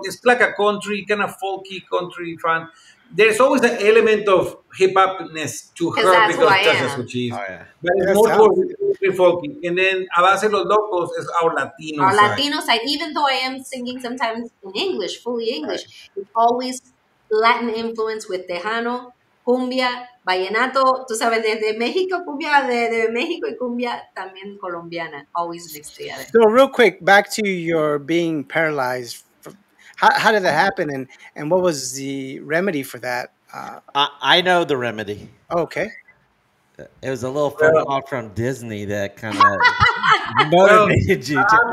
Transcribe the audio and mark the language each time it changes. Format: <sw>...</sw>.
<en>It's like a country, kind of folky country fan. There's always an element of hip-hopness to her, because that's just who she is. Oh, yeah. But it's more folky. And then Adassa Los Locos is our Latino side. Our Latino side. Even though I am singing sometimes in English, fully English, it's always Latin influence with Tejano, cumbia, vallenato.</en> <es>Tú sabes, desde México, cumbia de México y cumbia también colombiana.</es> <en>Always mixed together. So real quick, back to your being paralyzed. How did that happen, and what was the remedy for that? I know the remedy. Okay. It was a little phone call from Disney that kind of motivated you.</en>